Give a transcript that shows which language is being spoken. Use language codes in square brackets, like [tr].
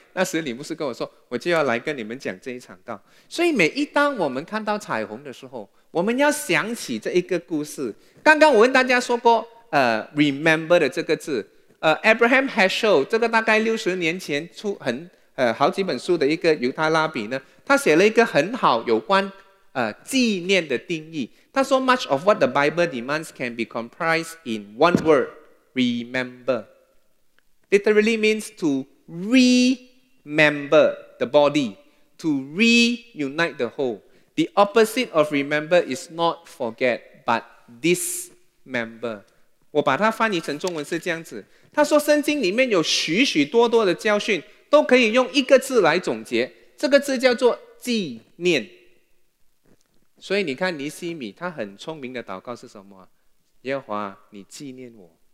[zh] 那时李牧师跟我说，我就要来跟你们讲这一场道。所以每一当我们看到彩虹的时候，我们要想起这一个故事。刚刚我跟大家说过remember 的这个字，Abraham Heschel 这个大概60年前出好几本书的一个犹太拉比呢，他写了一个很好有关纪念的定义。 [en] 他说 much of what the Bible demands can be comprised in one word, remember. Literally means to remember the body, to reunite the whole. The opposite of remember is not forget, but dismember. [zh] 我把它翻译成中文是这样子。他说圣经里面有许许多多的教训都可以用一个字来总结，这个字叫做纪念。所以你看尼西米他很聪明的祷告是什么？耶和华你纪念我。